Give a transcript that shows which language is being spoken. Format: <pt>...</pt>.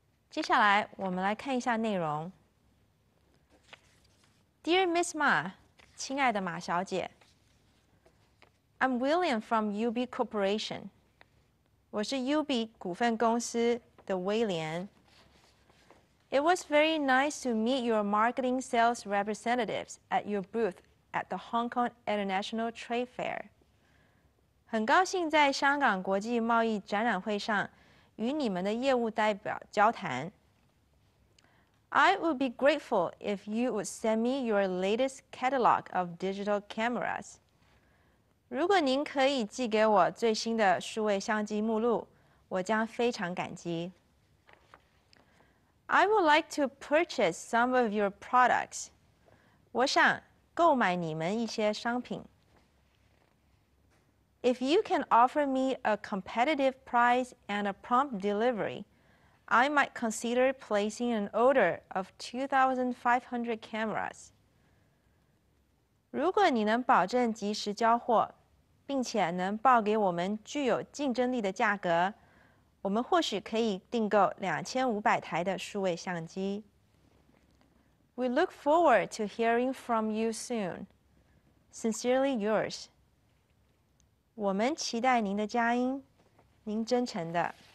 <zh>接下来我们来看一下内容。</zh> <en>Dear Miss Ma,</en> <zh>亲爱的马小姐，</zh> <en>I'm William from UB Corporation.</en> <zh>我是 UB 股份公司的威廉。</zh> <en>It was very nice to meet your marketing sales representatives at your booth at the Hong Kong International Trade Fair.</en> <zh>很高兴在香港国际贸易展览会上与你们的业务代表交谈。</zh> <en>I would be grateful if you would send me your latest catalog of digital cameras.</en> <zh>如果您可以寄给我最新的数位相机目录，我将非常感激。</zh> <en>I would like to purchase some of your products.</en> <zh>我想购买你们一些商品。</zh> <en>If you can offer me a competitive price and a prompt delivery, I might consider placing an order of 2,500 cameras.</en> <zh>如果你能保证及时交货，并且能报给我们具有竞争力的价格，我们或许可以订购2500台的数位相机。</zh> <en>We look forward to hearing from you soon. Sincerely yours.</en> <zh>我们期待您的佳音，您真诚的。</zh>